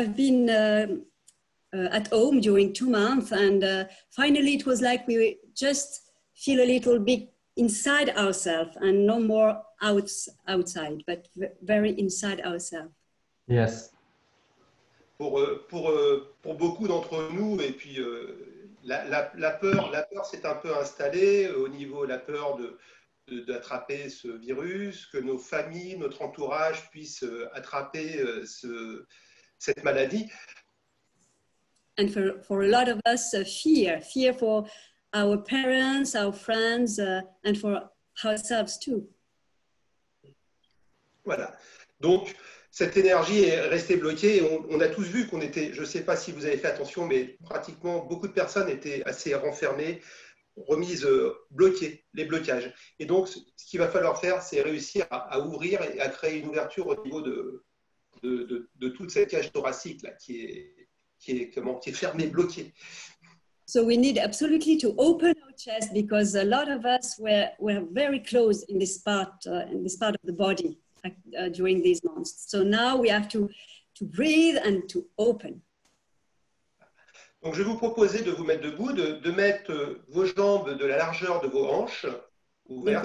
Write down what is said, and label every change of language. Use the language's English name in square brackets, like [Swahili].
[English] We have been at home during 2 months, and finally it was like we just feel a little bit inside ourselves and no more outside, but very inside ourselves. Yes. [French] Pour beaucoup d'entre nous, et puis la peur s'est un peu installée au niveau la peur d'attraper ce virus, que nos familles, notre entourage puissent attraper cette maladie. [English] And for a lot of us, fear for our parents, our friends, and for ourselves too. [French] Voilà. Donc, cette énergie est restée bloquée. Et on a tous vu qu'on était, je ne sais pas si vous avez fait attention, mais pratiquement beaucoup de personnes étaient assez renfermées, remises bloquées, les blocages. Et donc, ce qu'il va falloir faire, c'est réussir à ouvrir et à créer une ouverture au niveau de toute cette cage thoracique là, qui est fermée, bloquée. [English] So we need absolutely to open our chest because a lot of us were very close in this part of the body during these months. So now we have to breathe and to open. [French] Donc je vais vous proposer de vous mettre debout, de mettre vos jambes de la largeur de vos hanches ouvertes.